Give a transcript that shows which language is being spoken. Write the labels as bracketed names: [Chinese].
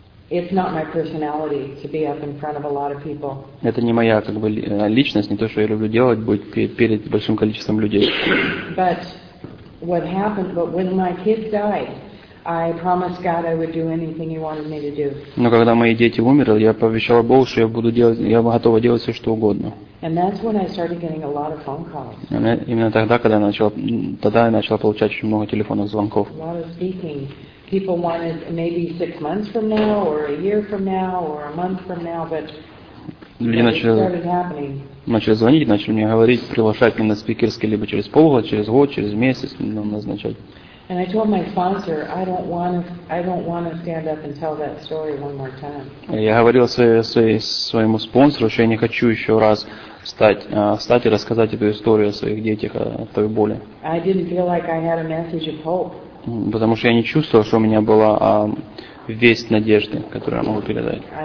[English] It's not my personality to be up in front of a lot of people. [Russian] Это не моя как бы личность, не то, что я люблю делать, быть перед большим количеством людей. [English] But what happened? But when my kids died, I promised God I would do anything He wanted me to do. [Russian] Но когда мои дети умерли, я пообещала Богу, что я готова делать все, что угодно. [English] And that's when I started getting a lot of phone calls. [Russian] Именно тогда я начала получать очень много телефонных звонков. [English] A lot of speaking. People wanted maybe 6 months from now, or a year from now, or a month from now, but it started happening. [Russian] Начали звонить, начали мне говорить, приглашать меня на спикерские либо через полгода, через год, через месяц, назначать. [English] And I told my sponsor, I don't want to stand up and tell that story one more time. [Russian] Я говорил своему спонсору, что я не хочу еще раз встать и рассказать эту историю о своих детях, о той боли. [English] I didn't feel like I had a message of hope. [Russian] Потому что я не чувствовал, что у меня была весть надежды, которую я могу передать.